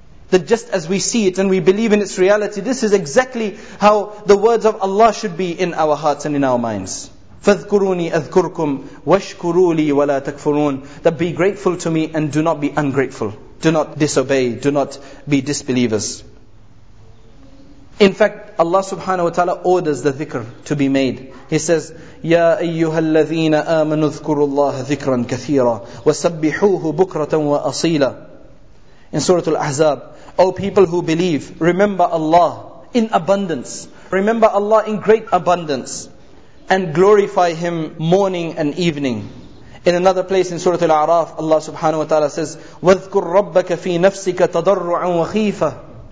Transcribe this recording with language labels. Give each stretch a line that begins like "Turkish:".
English: That just as we see it and we believe in its reality, this is exactly how the words of Allah should be in our hearts and in our minds.
Arabic: فَذْكُرُونِي أَذْكُرْكُمْ وَاشْكُرُوا لِي وَلَا تَكْفُرُونَ.
English: That be grateful to me and do not be ungrateful. Do not disobey, do not be disbelievers. In fact, Allah subhanahu wa ta'ala orders the dhikr to be made. He says,
Arabic: يَا أَيُّهَا الَّذِينَ آمَنُوا اذْكُرُوا اللَّهَ ذِكْرًا كَثِيرًا وَسَبِّحُوهُ بُكْرَةً وَأَصِيلًا.
English: In Surah Al-Ahzab, O people who believe, remember Allah in abundance. Remember Allah in great abundance. And glorify Him morning and evening. In another place in Surah Al-A'raf, Allah subhanahu wa ta'ala says,
Arabic: وَذْكُرْ رَبَّكَ فِي نَفْسِكَ تَضَرُّعًا وَخِيفًا.